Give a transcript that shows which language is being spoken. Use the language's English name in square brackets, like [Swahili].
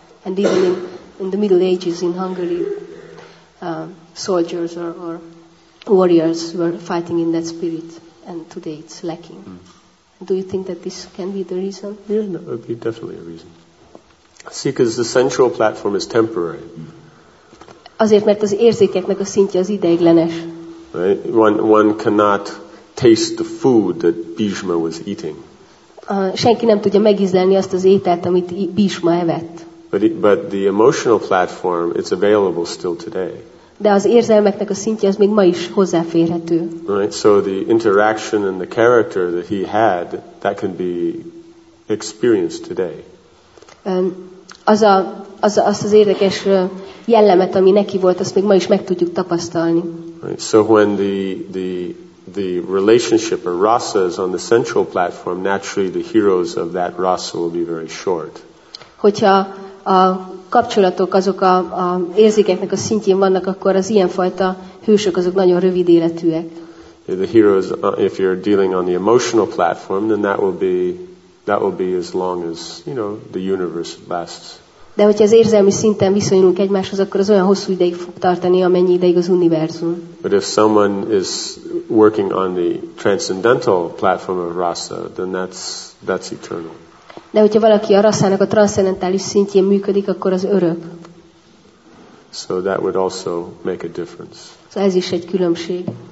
[English] And even in the Middle Ages in Hungary, soldiers or warriors were fighting in that spirit, and today it's lacking. Mm. Do you think that this can be the reason? Yeah, no, it would be definitely a reason. See, because the sensual platform is temporary. [Hungarian] Azért, mert az érzékeknek a szintje az ideiglenes. [English] One cannot taste the food that Bhishma was eating. [Hungarian] Senki nem tudja megízlelni azt az ételt, amit Bhishma evett. [English] But the emotional platform, it's available still today. [Hungarian] De az érzelmeknek a szintje az még ma is hozzáférhető. [English] Right, so the interaction and the character that he had, that can be experienced today. [Hungarian] Azt az érdekes jellemet, ami neki volt, azt még ma is meg tudjuk tapasztalni. [English] Right, so when the relationship or rasa is on the central platform, naturally the heroes of that rasa will be very short. [Hungarian] Hogyha a kapcsolatok azok a érzékeknek a szintjén vannak, akkor az ilyenfajta hősök azok nagyon rövid életűek. [English] The heroes, if you're dealing on the emotional platform, then that will be as long as, you know, the universe lasts. [Hungarian] De hogyha az érzelmi szinten viszonyulunk egymáshoz, akkor az olyan hosszú ideig fog tartani, amennyi ideig az univerzum. [English] But if someone is working on the transcendental platform of rasa, then that's eternal. [Hungarian] De hogyha valaki a rasszának a transzcendentális szintjén működik, akkor az örök. [English] So that would also make a difference. [Hungarian] Szóval ez is egy különbség.